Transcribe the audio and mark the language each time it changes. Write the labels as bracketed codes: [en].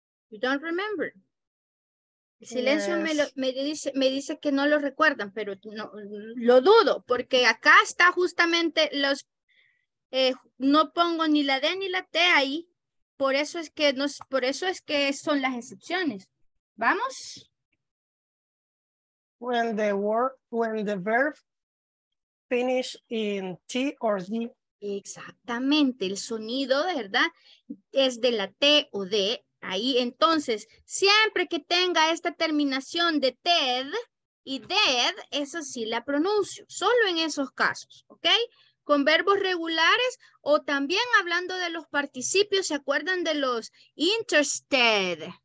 [en] You don't remember. [es] El silencio me dice que no lo recuerdan, pero no, lo dudo, porque acá está justamente los, no pongo ni la D ni la T ahí, por eso es que son las excepciones. ¿Vamos? [en] When the verb finish in T or D. [es] Exactamente, el sonido, ¿verdad? Es de la T o D. Ahí, entonces, siempre que tenga esta terminación de TED y DEAD, esa sí la pronuncio, solo en esos casos, ¿ok? Con verbos regulares o también hablando de los participios, ¿se acuerdan de los interested, ¿ya?